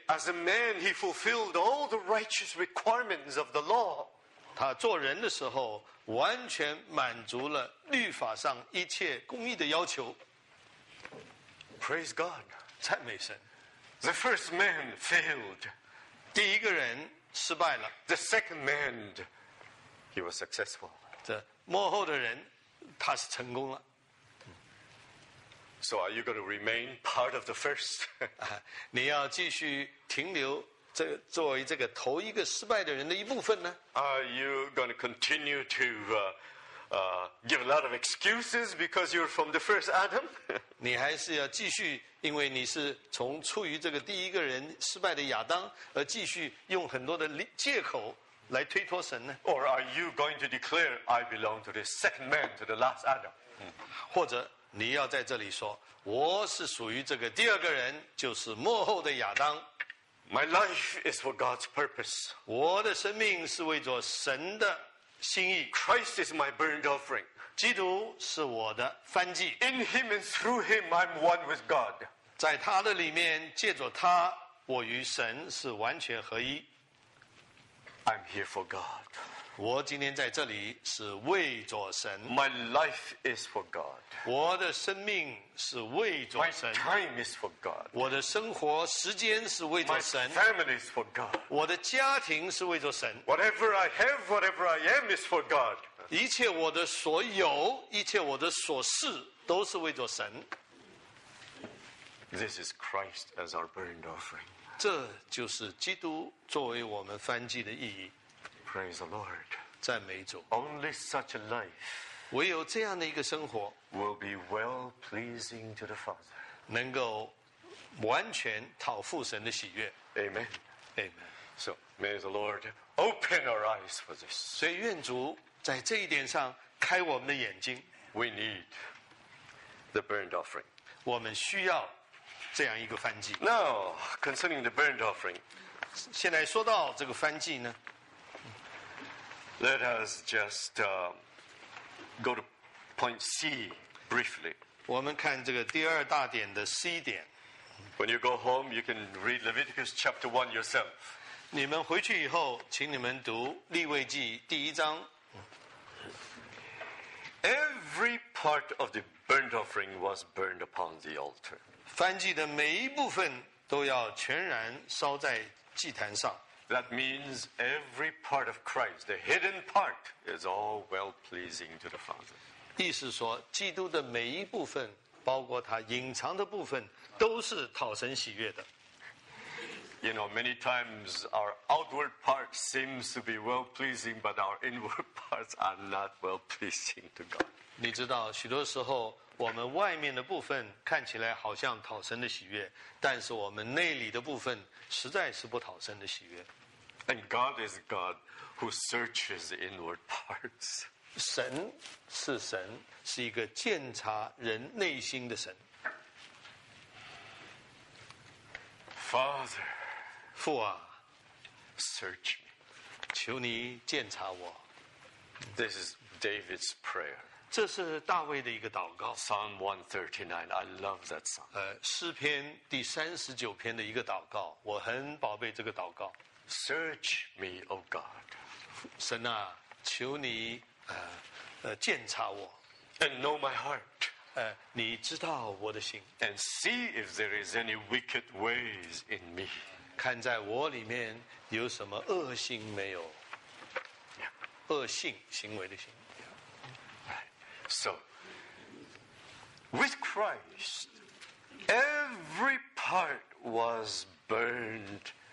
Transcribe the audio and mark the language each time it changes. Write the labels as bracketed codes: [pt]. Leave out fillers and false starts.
[en] As a man, he fulfilled all the righteous requirements of the law. [zh] 他做人的时候，完全满足了律法上一切公义的要求。 [en] Praise God! [zh] 赞美神。 [en] The first man failed. [zh] 第一个人失败了。 [en] The second man, he was successful. [zh] 这幕后的人，他是成功了。 [en] So are you going to remain part of the first? [zh] 你要继续停留这作为这个头一个失败的人的一部分呢？ [en] Are you going to continue to give a lot of excuses because you're from the first Adam? [zh] 你还是要继续，因为你是从出于这个第一个人失败的亚当而继续用很多的借口来推脱神呢？ [en] Or are you going to declare I belong to the second man, to the last Adam? [zh] 或者你要在这里说，我是属于这个第二个人，就是末后的亚当。 [en] My life is for God's purpose. [zh] 我的生命是为着神的心意。 [en] Christ is my burnt offering. [zh] 基督是我的燔祭。 [en] In him and through him, I'm one with God. [zh] 在他的里面，借着他，我与神是完全合一。 [en] I'm here for God. [zh] 我今天在这里是为着神。 [en] My life is for God. [zh] 我的生命是为着神。 [en] My time is for God. [zh] 我的生活时间是为着神。 [en] My family is for God. [zh] 我的家庭是为着神。 [en] Whatever I have, whatever I am is for God. [zh] 一切我的所有，一切我的所事，都是为着神。 [en] This is Christ as our burnt offering. [zh] 这就是基督作为我们燔祭的意义。 [en] Praise the Lord. [zh] 赞美主。 [en] Only such a life. [zh] 唯有这样的一个生活。 [en] Will be well pleasing to the Father. [zh] 能够完全讨父神的喜悦。 [en] Amen. Amen. So may the Lord open our eyes for this. [zh] 所以愿主在这一点上开我们的眼睛。 [en] We need the burnt offering. [zh] 我们需要这样一个燔祭。 [en] Now concerning the burnt offering. [zh] 现在说到这个燔祭呢。 [en] Let us just go to point C briefly. [zh] 我们看这个第二大点的 C 点。 [en] When you go home, you can read Leviticus chapter 1 yourself. [zh] 你们回去以后，请你们读利未记第一章。 [en] Every part of the burnt offering was burned upon the altar. [zh] 燔祭的每一部分都要全然烧在祭坛上。 [en] That means every part of Christ, the hidden part, is all well pleasing to the Father. [zh] 意思说，基督的每一部分，包括他隐藏的部分，都是讨神喜悦的。 [en] You know, many times our outward part seems to be well pleasing, but our inward parts are not well pleasing to God. [zh] 你知道，许多时候我们外面的部分看起来好像讨神的喜悦，但是我们内里的部分实在是不讨神的喜悦。 [en] And God is God who searches the inward parts. [zh] 神是神，是一个鉴察人内心的神。 [en] Father, [zh] 父啊 [en] ，search me， [zh] 求你鉴察我。 [en] This is David's prayer. [zh] 这是大卫的一个祷告。 [en] Psalm 139, I love that psalm. [zh] 诗篇第39篇的一个祷告，我很宝贝这个祷告。 [en] Search me, O God. [zh] 神啊，求你鉴察我。 [en] And know my heart. [zh] 你知道我的心。 [en] And see if there is any wicked ways in me. [zh] 看在我里面有什么恶心没有？ [en] Yeah. [zh] 恶性行为的心。 [en] Right. So, with Christ, every part was burned.